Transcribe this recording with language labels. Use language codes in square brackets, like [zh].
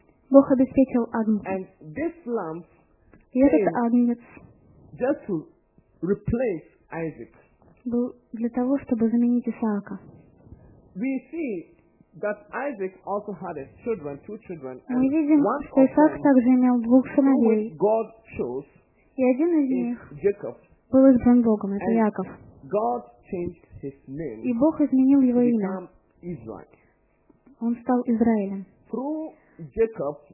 [ru] Бог обеспечил агнец. И этот агнец был для того, чтобы заменить Исаака. Мы видим, [en] that Isaac also had a children, two children, and [ru] мы видим, [en] one [ru] что Исаак также имел двух сыновей, [en] God chose, [ru] и один из них [en] Jacob, [ru] был избран Богом, это [en] and [ru] Яков. [en] God changed his name, [ru] и Бог изменил его [en] become [ru] имя. [en] Israel. [ru] Он стал Израилем. [en] Through Jacob,